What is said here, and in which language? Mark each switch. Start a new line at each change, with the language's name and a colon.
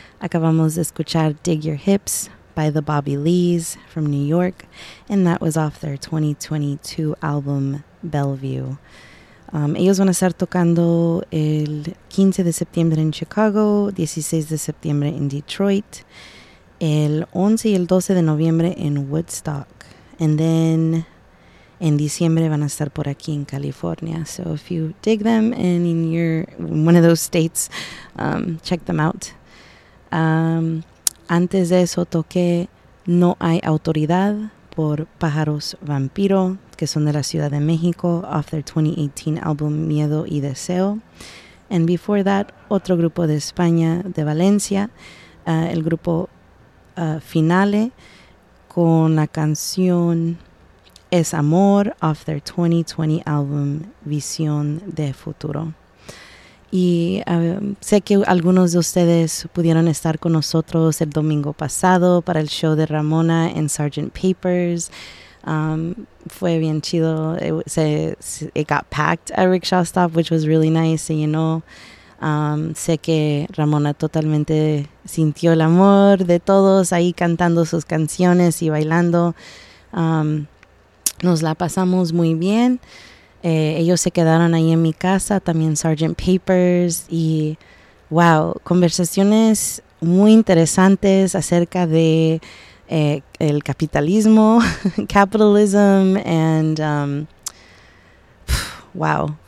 Spanish: Acabamos de escuchar
English: Dig Your Hips by the Bobby Lees from New York, and that was off their 2022 album, Bellevue.
Spanish: Ellos van a estar tocando el 15 de septiembre en Chicago, 16 de septiembre en Detroit, el 11 y el 12 de noviembre en Woodstock.
English: And then
Spanish: en diciembre van a estar por aquí en California.
English: So if you dig them and in your one of those states, check them out.
Spanish: Antes de eso toqué No Hay Autoridad por Pájaros Vampiro, que son de la Ciudad de México,
English: off their 2018 album
Spanish: Miedo y Deseo.
English: And before that,
Spanish: otro grupo de España, de Valencia, el grupo Finale con la canción Es Amor
English: off their 2020 album
Spanish: Visión de Futuro. Y sé que algunos de ustedes pudieron estar con nosotros el domingo pasado para el show de Ramona en Sgt. Papers. Fue bien chido.
English: It got packed at Rickshaw Stop, which was really nice, you know.
Spanish: Sé que Ramona totalmente sintió el amor de todos ahí cantando sus canciones y bailando. Nos la pasamos muy bien. Ellos se quedaron ahí en mi casa, también Sgt. Papers. Y wow, conversaciones muy interesantes acerca de el capitalismo, capitalism, and wow.